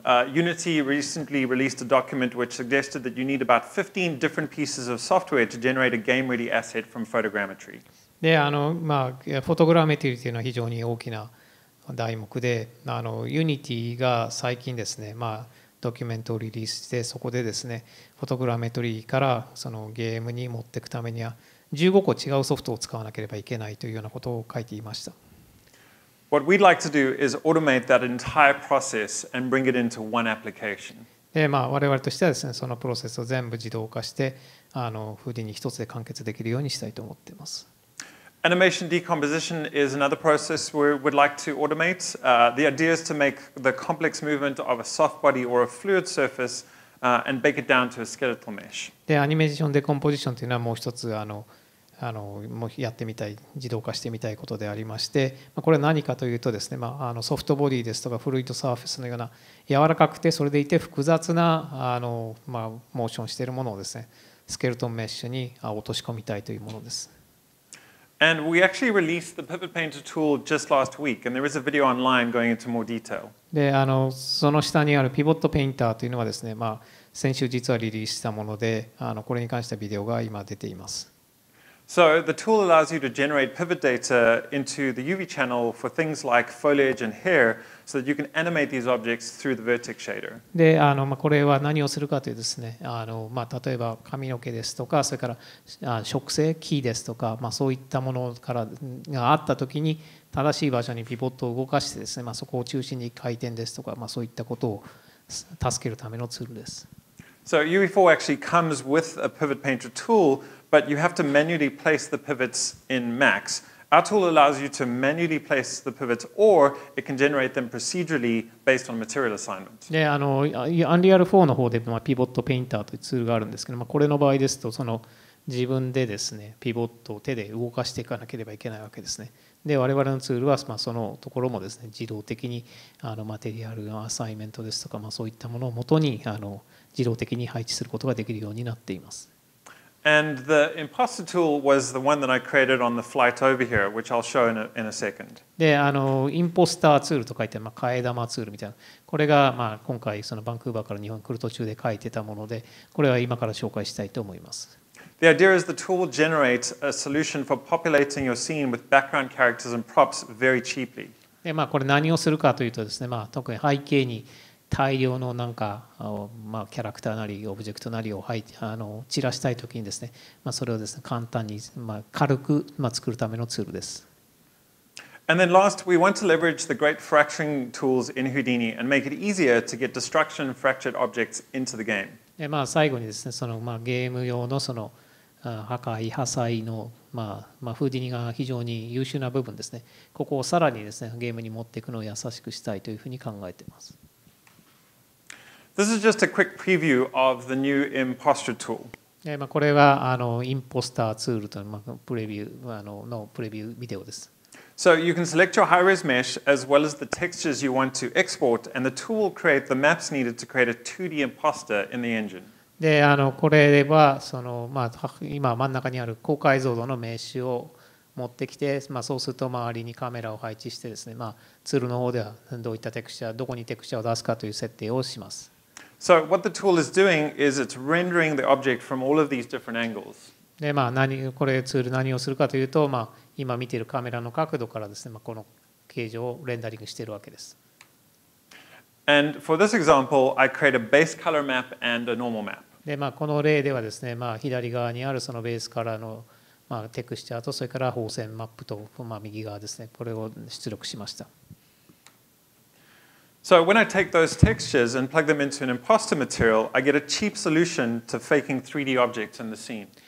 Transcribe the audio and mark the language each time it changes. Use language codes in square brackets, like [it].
[en] Unity recently released a document which suggested that you need about 15 different pieces of software to generate a game-ready asset from photogrammetry. [ja] で、フォトグラメトリーというのは非常に大きな題目で、Unity が最近ですね、ドキュメントをリリースして、そこでですね、フォトグラメトリーからそのゲームに持っていくためには、15個違うソフトを使わなければいけないというようなことを書いていました。 [en] What we'd like to do is automate that entire process and bring it into one application. [ja] で、我々としてはですね、そのプロセスを全部自動化して、Houdini 一つで完結できるようにしたいと思っています。 [en] Animation decomposition is another process we would like to automate. The idea is to make the complex movement of a soft body or a fluid surface, and bake it down to a skeletal mesh. [ja] で、アニメーションデコンポジションというのはもう一つもうやってみたい、自動化してみたいことでありまして、これは何かというとですね、ソフトボディですとかフルイドサーフェスのような柔らかくてそれでいて複雑なモーションしているものをですね、スケルトンメッシュに落とし込みたいというものです。 [en] And we actually released the Pivot Painter tool just last week, and there is a video online going into more detail. [ja] で、その下にあるピボットペインターというのはですね、先週実はリリースしたもので、これに関してはビデオが今出ています。 [en] So the tool allows you to generate pivot data into the UV channel for things like foliage and hair, so that you can animate these objects through the vertex shader. [ja] で、これは何をするかというとですね、例えば髪の毛ですとか、それから植生、木ですとか、そういったものからがあったときに正しい場所にピボットを動かしてですね、そこを中心に回転ですとか、そういったことを助けるためのツールです。 [en] So UV4 actually comes with a Pivot Painter tool. But you have to manually place the pivots in Max. Our tool allows you to manually place the pivots, or it can generate them procedurally based on material assignment. [ja] で、Unreal 4の方で、ピボットペインターというツールがあるんですけど、これの場合ですと、その自分でですね、ピボットを手で動かしていかなければいけないわけですね。で、我々のツールは、そのところもですね、自動的にマテリアルのアサイメントですとか、そういったものをもとに自動的に配置することができるようになっています。 [en] And the imposter tool was the one that I created on the flight over here, which I'll show in a second. [ja] で、インポスターツールと書いて、替え玉ツールみたいな。これが、今回、そのバンクーバーから日本に来る途中で書いてたもので、これは今から紹介したいと思います。 [en] The idea is the tool generates a solution for populating your scene with background characters and props very cheaply. [ja] で、これ何をするかというとですね、特に背景に大量のなんか、まあ、キャラクターなりオブジェクトなりを配散らしたいときにですね、まあ、それをですね、簡単に、まあ、軽く、まあ、作るためのツールです。 [en] And then last, we want to leverage the great fracturing tools in Houdini and make it easier to get destruction fractured objects into the game. [ja] で、まあ、最後にですね、その、まあ、ゲーム用のその破壊破砕の、まあまあ、フーディニが非常に優秀な部分ですね。ここをさらにですね、ゲームに持っていくのを優しくしたいというふうに考えています。 [en] This is just a quick preview of the new imposter tool. [ja] え、まあ、これはインポスターツールというまあプレビューのプレビュービデオです。 [en] So you can select your high-res mesh as well as the textures you want to export, and the tool will create the maps needed to create a 2D imposter in the engine. [ja] で、これはその、まあ、今真ん中にある高解像度のメッシュを持ってきて、まあ、そうすると周りにカメラを配置してですね、まあ、ツールの方ではどういったテクスチャー、どこにテクスチャーを出すかという設定をします。 [en] So what the tool is doing is it's rendering the object from all of these different angles. [ja] で、まあ、これツール何をするかというと、まあ、今見ているカメラの角度からですね、まあ、この形状をレンダリングしているわけです。 [en] And for this example, I create a base color map and a normal map. [ja] で、まあ、この例ではですね、まあ、左側にあるそのベースカラーの、まあ、テクスチャーと、それから放線マップと、まあ、右側ですね、これを出力しました。 [en] So when I take those textures and plug them into an imposter material, I get a cheap solution to faking 3D objects in the scene.